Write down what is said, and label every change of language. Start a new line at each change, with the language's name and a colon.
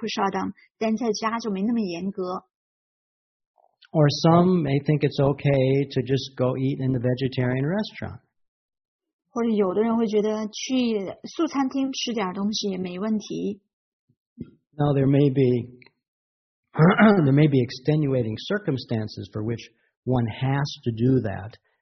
Chinese: 他们可能去到奉献者的中心，或者聚会联谊的时候，或者去庙里会荣耀prasadam，但在家就没那么严格。
English: Or some may think it's okay to just go eat in the vegetarian restaurant.
Chinese: 或者有的人会觉得去素餐厅吃点东西也没问题。
English: Now there may be extenuating circumstances for which one has to do that.